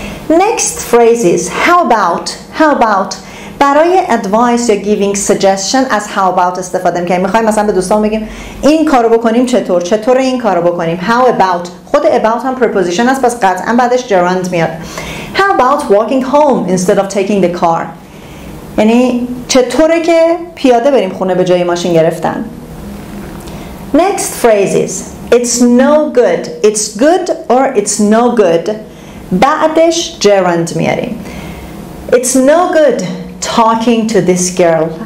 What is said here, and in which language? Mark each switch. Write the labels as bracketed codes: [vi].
[en] Next phrase is how about برای advice یا giving suggestion از how about [fa] استفاده میکنیم. میخوایم مثلا به دوستان بگیم این کارو بکنیم چطور این کارو بکنیم. How about خود about هم preposition است پس قطعا بعدش gerund میاد. [en] How about walking home instead of taking the car. [fa] یعنی چطوره که پیاده بریم خونه به جای ماشین گرفتن. [en] Next phrase is it's no good. It's good or it's no good. [fa] بعدش gerund میاریم. [en] It's no good talking to this girl.